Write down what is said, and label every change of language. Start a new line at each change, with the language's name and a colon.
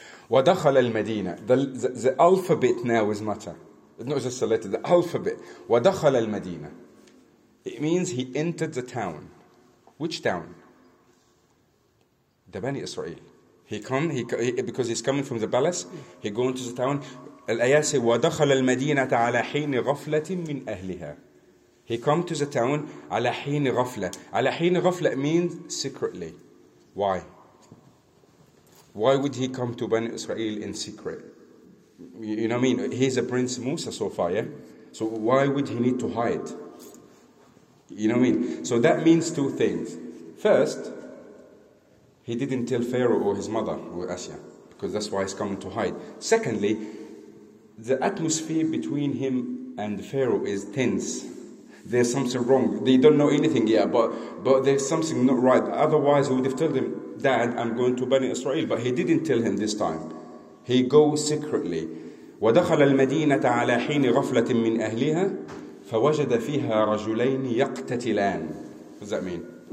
Arabic: وَدَخَلَ الْمَدِينَةِ
English: The alphabet now is matter. It's not just the letter, the alphabet.
Arabic: وَدَخَلَ الْمَدِينَةِ
English: It means he entered the town. Which town? The Bani Israel. Because he's coming from the palace, he going to the town. Al-Ayah say,
Arabic: وَدَخَلَ الْمَدِينَةَ عَلَى حِينِ غَفْلَةٍ مِّنْ أَهْلِهَا
English: He come to the town,
Arabic: عَلَى حِينِ غَفْلَةٍ عَلَى حِينِ غَفْلَةٍ
English: means secretly. Why? Why would he come to Bani Israel in secret? You know what I mean? He's a Prince Musa so far, yeah? So why would he need to hide? You know what I mean? So that means two things. First, he didn't tell Pharaoh or his mother or Asya, because that's why he's coming to hide. Secondly, the atmosphere between him and Pharaoh is tense. There's something wrong. They don't know anything yet, but there's something not right. Otherwise, he would have told him, Dad, I'm going to Bani Israel. But he didn't tell him this time. He goes secretly.
Arabic: وَدَخَلَ الْمَدِينَةَ عَلَى حِينِ غَفْلَةٍ مِّنْ أَهْلِهَا فَوَجَدَ فِيهَا رَجُلَيْنِ يَقْتَتِلَانِ
English: What does that mean?